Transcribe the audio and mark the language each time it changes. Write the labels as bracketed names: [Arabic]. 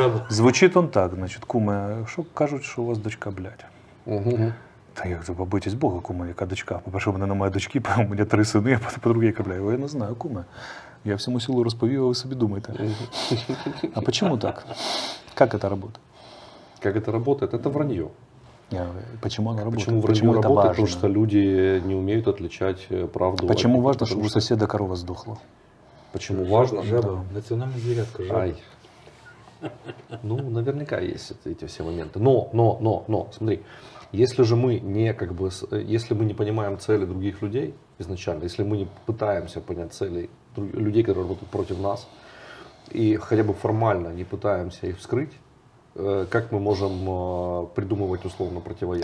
[Russian] Звучит он так, значит, кума, что кажут, что у вас дочка, блядь. Угу. Да я говорю, побойтесь Бога, кума, [Ukrainian] яка дочка. [Russian] Попрошу мене на моей дочке, у меня три сыны, я по-другому яка, блядь. Я не знаю, кума. [Ukrainian] Я всему селу розповів, а ви собі думаєте. А чому так? Як це працює? Як це працює? Це враньо. Чому воно працює? Чому враньо працює? Тому що люди не вміють відличати правду. Чому важливо, щоб у сусіда корова здохла? Чому важливо? Жаба. Національна звірятка. Жаба. Ай. Ну, наверняка є ці всі моменти. [Russian] Но, смотри. Если же мы не, как бы, если мы не понимаем цели других людей изначально, если мы не пытаемся понять цели людей, которые работают против нас, и хотя бы формально не пытаемся их вскрыть, как мы можем придумывать условно противоядие?